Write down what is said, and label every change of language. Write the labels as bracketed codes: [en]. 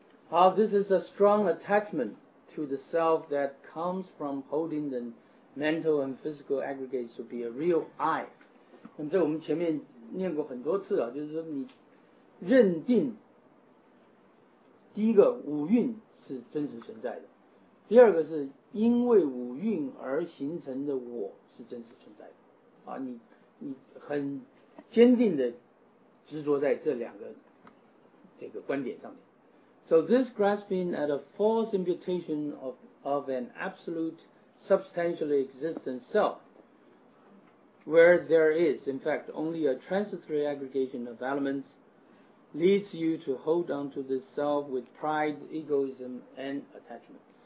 [en] 好， this is a strong attachment to the self that comes from holding the mental and physical aggregates to be a real I. [zh] 那么这我们前面念过很多次了，就是说你认定第一个五蕴是真实存在的，第二个是因为五蕴而形成的我是真实存在的啊，你很坚定的执着在这两个这个观点上面。 [en] So this grasping at a false imputation of an absolute substantially existent selfWhere there is, in fact, only a transitory aggregation of elements leads you to hold on to the self with pride, egoism, and attachment.